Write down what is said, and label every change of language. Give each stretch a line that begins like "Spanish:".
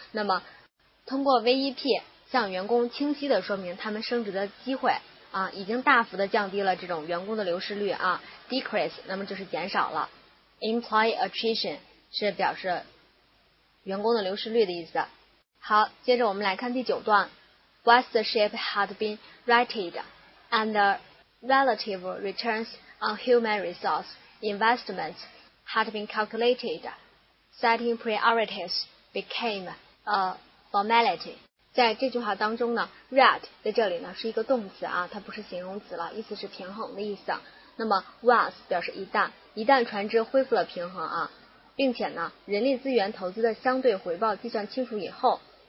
Chinese: 那么通过 VEP 向员工清晰的说明他们升职的机会啊，已经大幅的降低了这种员工的流失率啊 ，decrease 那么就是减少了，employee attrition 是表示员工的流失率的意思。好，接着我们来看第九段
English: ，Once the ship had been righted and the relative returns on human resource investments had been calculated。 Setting priorities became a formality.
Chinese: 在这句话当中呢 ，right 在这里呢是一个动词啊，它不是形容词了，意思是平衡的意思。那么 once 表示一旦船只恢复了平衡啊，并且呢，人力资源投资的相对回报计算清楚以后